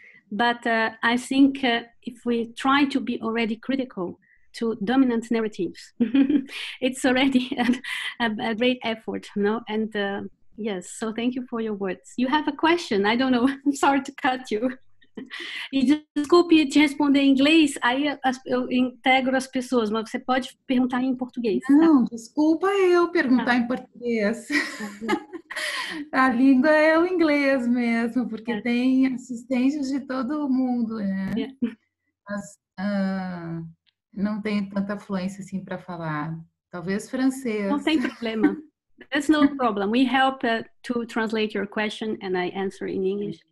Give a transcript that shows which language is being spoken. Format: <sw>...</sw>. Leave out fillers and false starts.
<en>But I think if we try to be already critical to dominant narratives, it's already a great effort, no? And yes, so thank you for your words. You have a question, I don't know, I'm sorry to cut you.</en> <pt>Desculpe te responder em inglês, aí eu integro as pessoas, mas você pode perguntar em português. Não, tá? Desculpa eu perguntar em português. A língua é o inglês mesmo, porque tem assistentes de todo o mundo, né? Yeah. Mas não tenho tanta fluência assim para falar. Talvez francês. Não tem problema.</pt> <en>There's no problem. We help to translate your question and I answer in English.</en>